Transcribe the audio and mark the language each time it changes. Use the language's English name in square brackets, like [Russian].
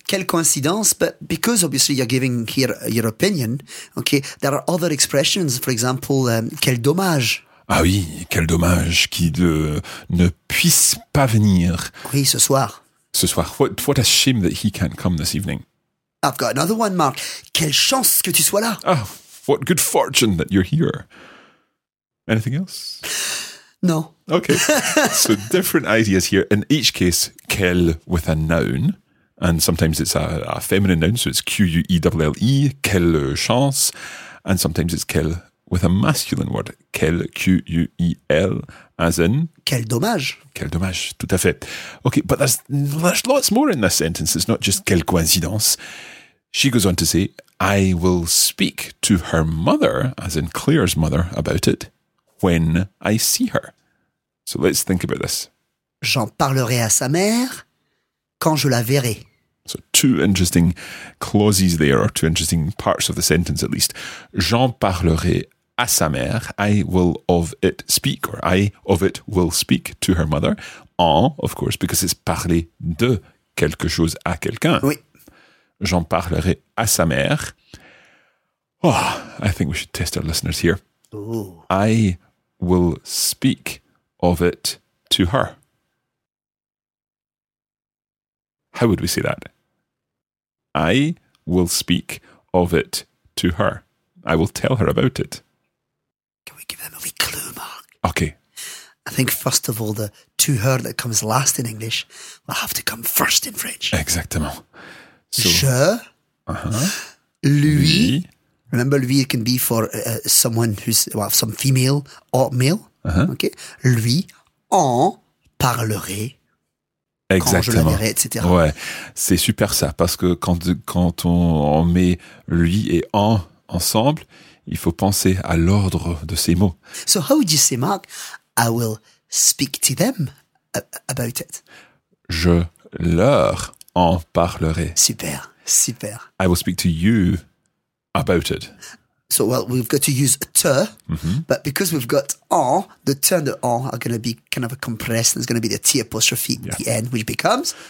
[French] quelle coïncidence, [English] but because obviously you're giving here your opinion, okay, there are other expressions, for example, [French] quel dommage. Ah oui, quel dommage qu'il ne puisse pas venir. Oui, ce soir. Ce soir. [English] What a shame that he can't come this evening. I've got another one, Marc. [French] Quelle chance que tu sois là. [English] Oh, what good fortune that you're here. Anything else? No. Okay. So different ideas here. In each case, quel with a noun, and sometimes it's a feminine noun, so it's Q-U-E-L-L-E, [French] quelle chance, [English] and sometimes it's quel with a masculine word, quel, Q-U-E-L, as in... [French] Quel dommage. Quel dommage, tout à fait. [English] Okay, but there's lots more in this sentence. It's not just quelle coïncidence. She goes on to say, I will speak to her mother, as in Claire's mother, about it, when I see her. So let's think about this. [French] J'en parlerai à sa mère quand je la verrai. [English] So two interesting clauses there, or two interesting parts of the sentence at least. [French] J'en parlerai à sa mère. [English] I will of it speak, or I of it will speak to her mother. En, of course, because it's [French] parler de quelque chose à quelqu'un. Oui. J'en parlerai à sa mère. [English] Oh, I think we should test our listeners here. Ooh. I will speak of it to her. How would we say that? I will speak of it to her. I will tell her about it. Can we give them a wee clue, Mark? Okay. I think, first of all, the to her that comes last in English will have to come first in French. [French] Exactement. [English] So, [French] je, lui... [English] Remember, lui can be for someone who's, well, some female or male. Uh-huh. [French] Okay. Lui en parlerait. Exactement. Quand je le verrai, etc. Ouais. C'est super ça, parce que quand on met lui et en ensemble, il faut penser à l'ordre de ces mots. [English] So, how would you say, Mark? I will speak to them about it. [French] Je leur en parlerai. Super, super. [English] I will speak to you about it. So, well, we've got to use te, mm-hmm. but because we've got en, the te and the en are going to be kind of a compressed, there's going to be the T apostrophe at the end, which becomes...